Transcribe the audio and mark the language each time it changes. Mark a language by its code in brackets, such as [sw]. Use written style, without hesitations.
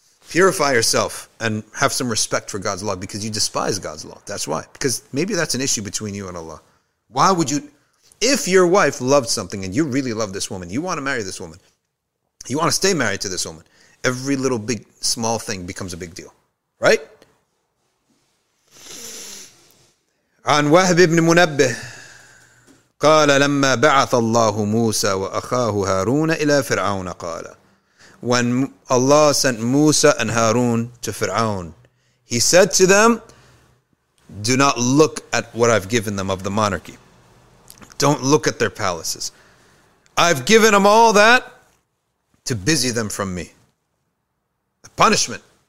[en] Purify yourself and have some respect for God's law, because you despise God's law. That's why. Because maybe that's an issue between you and Allah. Why would you, if your wife loved something and you really love this woman, you want to marry this woman, you want to stay married to this woman, every little big, small thing becomes a big deal. Right? [ar] عن وهب بن منبه قال لما بعث الله موسى وأخاه هارون إلى فرعون قال. [en] When Allah sent Musa and Harun to Fir'aun, he said to them, do not look at what I've given them of the monarchy. Don't look at their palaces. I've given them all that to busy them from me. A punishment.